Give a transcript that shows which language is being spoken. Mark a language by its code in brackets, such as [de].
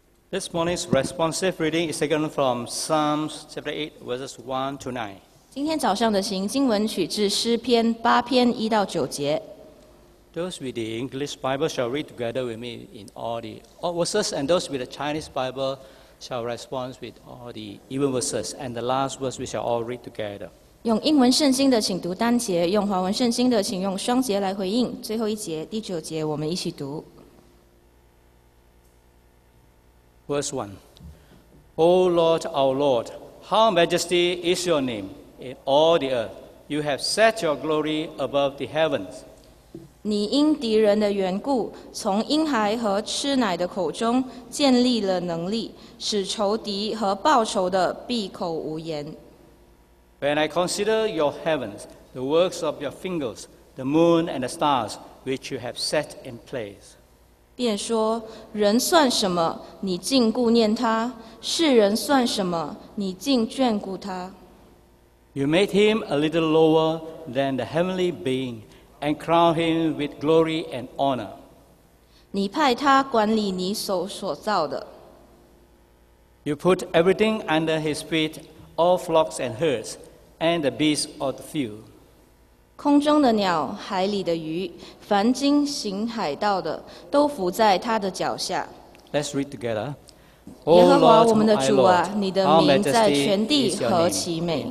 [en] This morning's responsive reading is taken from Psalms chapter 8, verses 1 to 9. [zh] 今天早上的行经文取自诗篇八篇一到九节。 [en] Those with the English Bible shall read together with me in all the all verses, and those with the Chinese Bible. Shall respond with all the even verses, and the last verse we shall all read together. [zh] 用英文圣经的请读单节，用华文圣经的请用双节来回应。最后一节第九节，我们一起读。 [en] Verse 1. O Lord, our Lord, how majesty is your name in all the earth. You have set your glory above the heavens. [zh] 你因敌人的缘故，从婴孩和吃奶的口中建立了能力，使仇敌和报仇的闭口无言。 [en] When I consider your heavens, the works of your fingers, the moon and the stars which you have set in place. [zh] 便说，人算什么？你竟顾念他；世人算什么？你竟眷顾他。 [en] You made him a little lower than the heavenly being. And crown him with glory and honor. [zh] 你派他管理你手所造的。 [en] You put everything under his feet, all flocks and herds, and the beasts of the field. [zh] 空中的鸟，海里的鱼，凡经行海道的，都伏在他的脚下。 [en] Let's read together. [zh] 耶和华我们的主啊，你的名在全地何其美。